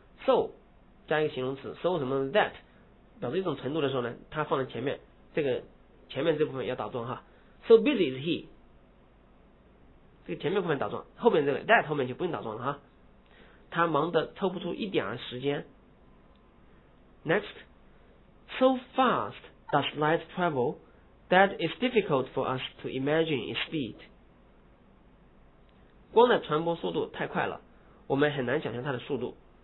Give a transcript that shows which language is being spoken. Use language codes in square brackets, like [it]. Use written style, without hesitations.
[zh] So 加一个形容词 ，So 什么 that 表示一种程度的时候呢，它放在前面，这个前面这部分要打桩哈。 [en] So busy is he， [zh] 这个前面部分打桩，后面这个 that 后面就不用打桩了哈。他忙得抽不出一点儿时间。 [en] Next, so fast does light travel that it's difficult for us to imagine its speed. [zh] 光的传播速度太快了，我们很难想象它的速度。